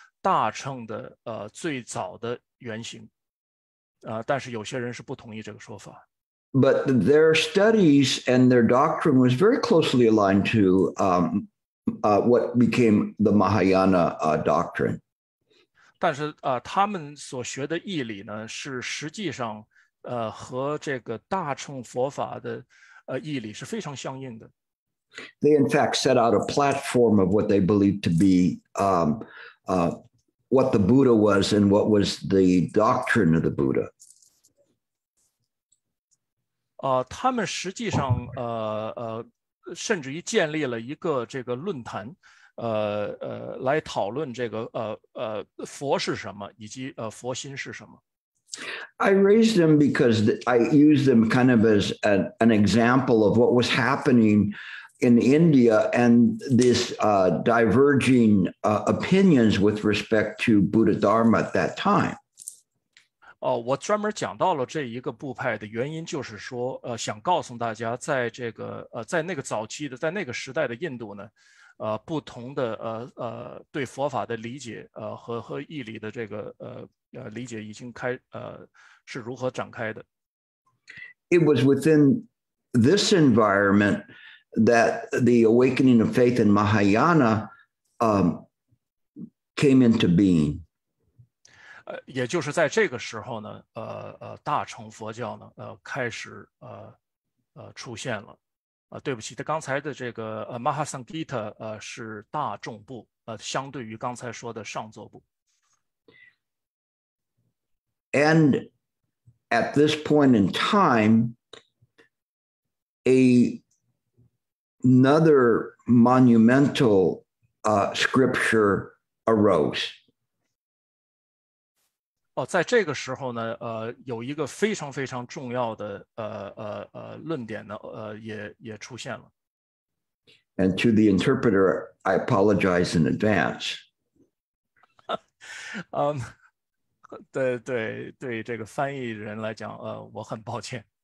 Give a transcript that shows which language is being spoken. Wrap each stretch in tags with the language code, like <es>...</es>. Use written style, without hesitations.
<zh>大乘的最早的原型，但是有些人是不同意这个说法。</zh> <en>But their studies and their doctrine was very closely aligned to what became the Mahayana doctrine.</en> <zh>但是他们所学的义理呢，是实际上和这个大乘佛法的义理是非常相应的。</zh> <en>They in fact set out a platform of what they believed to be what the Buddha was and what was the doctrine of the Buddha.</en> <zh>他们实际上甚至于建立了一个这个论坛，来讨论这个佛是什么，以及佛心是什么。</zh> <en>I raised them because I used them kind of as an example of what was happening in India and this diverging opinions with respect to Buddha Dharma at that time.</en> <zh>我专门讲到了这一个部派的原因，就是说想告诉大家，在这个在那个早期的，在那个时代的印度呢，不同的对佛法的理解和义理的这个理解已经开是如何展开的。</zh> <en>It was within this environment that the awakening of faith in Mahayana came into being.</en> <zh>也就是在这个时候呢，大乘佛教呢开始出现了。对不起，刚才的这个Mahasangita是大众部，相对于刚才说的上座部。</zh> <en>And at this point in time, another monumental scripture arose.</en> <zh>在这个时候呢，有一个非常非常重要的论点呢，也出现了。</zh> <en>And to the interpreter, I apologize in advance.</en> <zh>对对对，这个翻译人来讲，我很抱歉。</zh>